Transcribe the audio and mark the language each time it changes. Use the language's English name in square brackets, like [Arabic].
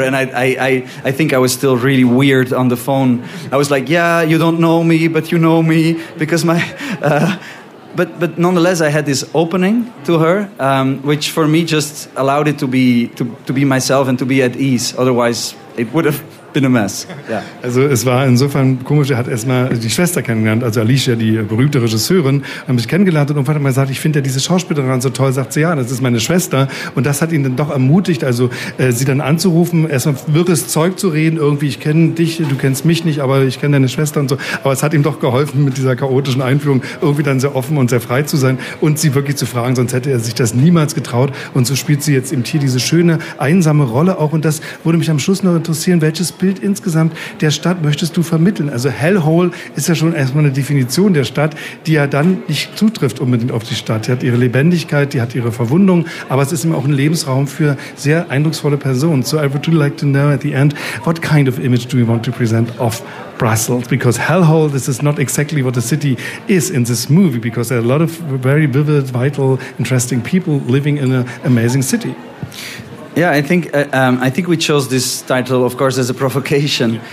[English] And I think I was still really weird on the phone. I was like, yeah, you don't know me, but you know me. Because my... But nonetheless, I had this opening to her, which for me just allowed it to be myself and to be at ease. Otherwise, it would have... been a mess. Yeah. [German] Also es war insofern komisch, er hat erstmal die Schwester kennengelernt, also Alicia, die berühmte Regisseurin, hat mich kennengelernt und irgendwann hat mal gesagt, ich finde ja diese Schauspielerin so toll, sagt sie, ja, das ist meine Schwester. Und das hat ihn dann doch ermutigt, also sie dann anzurufen, erstmal wirres Zeug zu reden, irgendwie, ich kenne dich, du kennst mich nicht, aber ich kenne deine Schwester und so. Aber es hat ihm doch geholfen, mit dieser chaotischen Einführung irgendwie dann sehr offen und sehr frei zu sein und sie wirklich zu fragen, sonst hätte er sich das niemals getraut. Und so spielt sie jetzt im Tier diese schöne, einsame Rolle auch. Und das würde mich am Schluss noch interessieren, welches Bild insgesamt der Stadt möchtest du vermitteln? Also Hellhole ist ja schon erstmal eine Definition der Stadt, die ja dann nicht zutrifft unbedingt auf die Stadt. Die hat ihre Lebendigkeit, die hat ihre Verwundung, aber es ist eben auch ein Lebensraum für sehr eindrucksvolle Personen. [English] So I would really like to know at the end, what kind of image do you want to present of Brussels, because Hellhole, this is not exactly what the city is in this movie, because there are a lot of very vivid, vital, interesting people living in an amazing city. Yeah, I think we chose this title, of course, as a provocation.